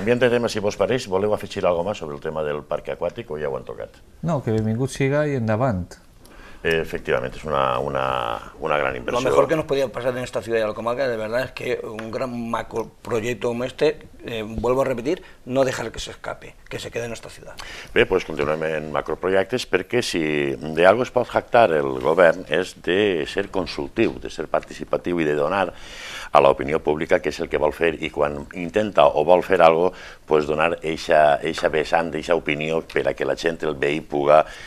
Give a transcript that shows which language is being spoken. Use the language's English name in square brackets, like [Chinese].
[Catalan] Canviant de tema, si vos pareix, voleu afegir alguna cosa sobre el tema del parc aquàtic o ja ho han tocat? No, que benvingut siga i endavant. Efectivament, és una gran inversió. [Spanish] Lo mejor que nos podía pasar en esta ciudad de la comarca, de verdad, es que un gran macro proyecto como este, vuelvo a repetir, no dejar que se escape, que se quede en esta ciudad. [Catalan] Bé, pues continuem en macroprojectes, perquè si de algo es pot jactar el govern és de ser consultiu, de ser participatiu i de donar a l'opinió pública que és el que vol fer, i quan intenta o vol fer algo, pues donar eixa vessant, eixa opinió per a que la gent, el veí, puga